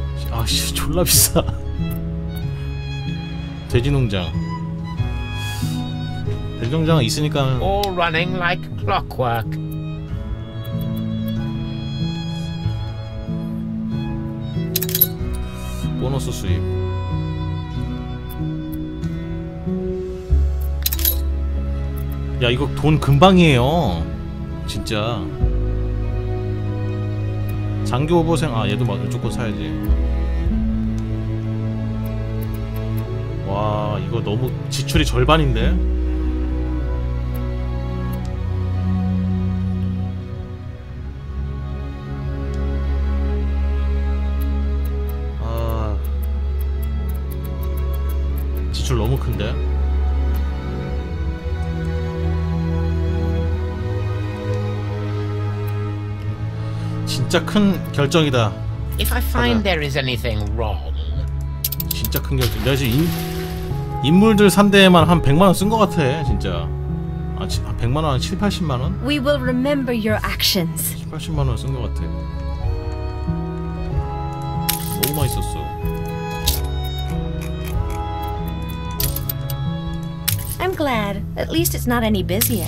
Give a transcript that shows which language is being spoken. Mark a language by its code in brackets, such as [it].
[ko] 아씨 졸라 비싸. 돼지 농장. 운전장 있으니까. [en] All running like clockwork. [ko] 보너스 수입. 야 이거 돈 금방이에요. 진짜. 장교 후보생 아 얘도 막 무조건 사야지. 와 이거 너무 지출이 절반인데. 아 지출 너무 큰데. 진짜 큰 결정이다. [en] If I find there is anything wrong. [ko] 진짜 큰 결정. 내가 지금 인물들 3대에만 한 100만 원 쓴 것 같아, 진짜. 아, 100만 원 한 7, 80만 원? [en] We will remember your actions. [ko] 7, 80만 원 쓴 것 같아. 너무 많이 썼어. [en] I'm glad. At least it's not any busier.